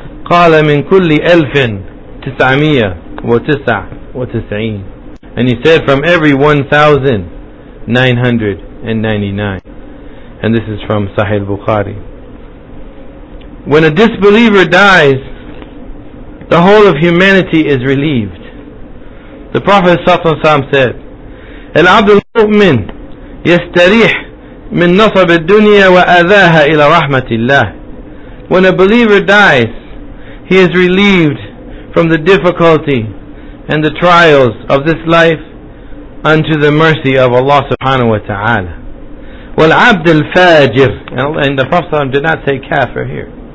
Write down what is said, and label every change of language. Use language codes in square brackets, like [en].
[ar] قال من كل ألف تسعمية وتسع وتسعين, [en] and he said, from every 1,999. And this is from Sahih Bukhari. When a disbeliever dies, the whole of humanity is relieved. The Prophet ﷺ said, [ar] العبد المؤمن يستريح من نصب الدنيا وأذاها إلى رحمة الله. [en] When a believer dies, he is relieved from the difficulty and the trials of this life unto the mercy of Allah subhanahu wa ta'ala. [ar] والعبد الفاجر, [en] and the Prophet ﷺ did not say kafir here.